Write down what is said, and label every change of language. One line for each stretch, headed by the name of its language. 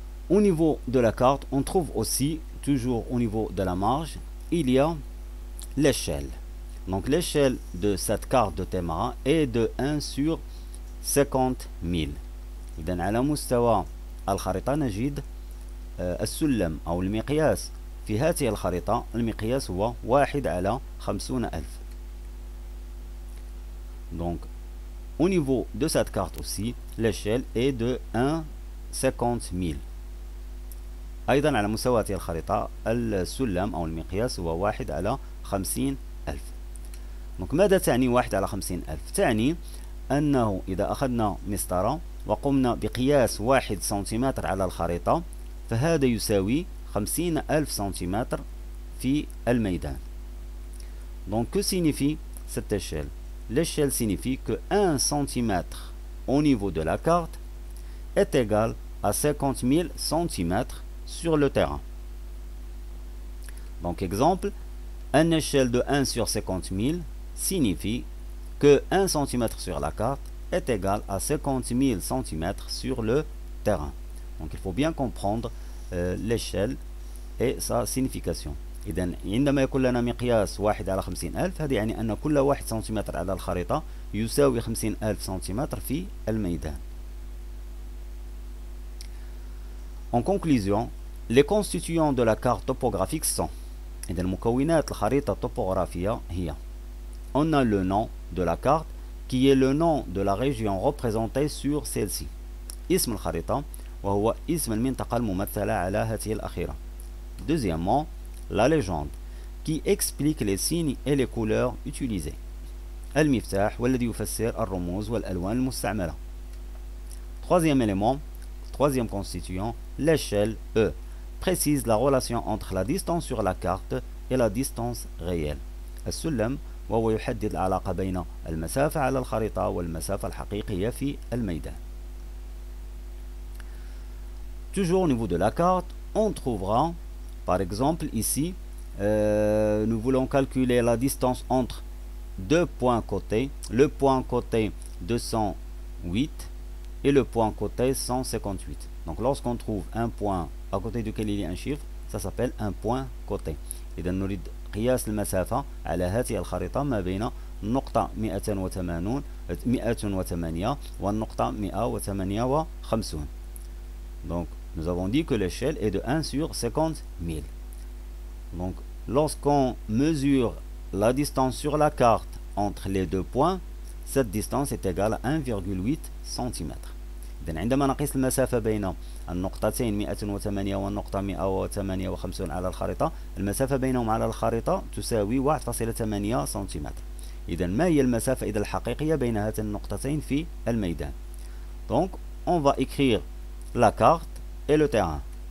French: Au niveau de la carte, on trouve aussi, toujours au niveau de la marge, il y a l'échelle. Donc l'échelle de cette carte de Témara est de 1 sur 50 000.
Arabic: إذن على مستوى الخريطة نجد السلم أو المقياس في هذه الخريطة المقياس هو 1 على 50 ألف.
French: Donc, au niveau de cette carte aussi, l'échelle est de 1,50,000.
Arabic: أيضا على مستوى الخريطة السلم أو المقياس هو 1 على 50,000. Donc, ماذا تعني 1 على 50,000؟ تعني أنه إذا أخذنا مسطرة وقمنا بقياس 1 سنتيمتر على الخريطة فهذا يساوي 50,000 سنتيمتر في الميدان.
French: Donc, que signifie cette échelle? L'échelle signifie que 1 cm au niveau de la carte est égal à 50 000 cm sur le terrain. Donc exemple, une échelle de 1 sur 50 000 signifie que 1 cm sur la carte est égal à 50 000 cm sur le terrain. Donc il faut bien comprendre l'échelle et sa signification.
Arabic: إذن عندما يكون لنا مقياس 1 على 50,000 هذا يعني أن كل 1 سنتيمتر على الخريطة يساوي 50,000 سنتيمتر في الميدان.
French: En conclusion, les constituants de la carte topographique sont.
Arabic: إذن مكونات الخريطة الطوبوغرافية هي.
French: On a le nom de la carte qui est le nom de la région représentée sur celle-ci.
Arabic: اسم الخريطة وهو اسم المنطقة الممثلة على هذه الأخيرة.
French: Deuxièmement, la légende qui explique les signes et les couleurs utilisées.
Arabic: المفتاح والذي يفسر الرموز والألوان المستعملة.
French: Troisième élément, troisième constituant, l'échelle E, précise la relation entre la distance sur la carte et la distance réelle.
Arabic: السلم وهو يحدد العلاقة بين المسافة على الخريطة والمسافة الحقيقية في الميدان.
French: Toujours au niveau de la carte, on trouvera, par exemple ici, nous voulons calculer la distance entre deux points côtés, le point côté 208 et le point côté 158. Donc lorsqu'on trouve un point à côté duquel il y a un chiffre, ça s'appelle un point côté. Et dans nos lignes,
Arabic: قياس المسافة على هذه الخريطة ما بين النقطة 108 والنقطة 158.
French: Donc, nous avons dit que l'échelle est de 1 sur 50 000. Donc, lorsqu'on mesure la distance sur la carte entre les deux points, cette distance est égale à 1,8 cm.
Arabic: إذن عندما نقيس المسافة بين النقطتين 108 والنقطة 158 على الخريطة، المسافة بينهم على الخريطة تساوي 1.8 سنتيمتر. إذن ما هي المسافة إذا الحقيقية بين هاتين النقطتين في الميدان؟
French: Donc on va écrire la carte et le terrain.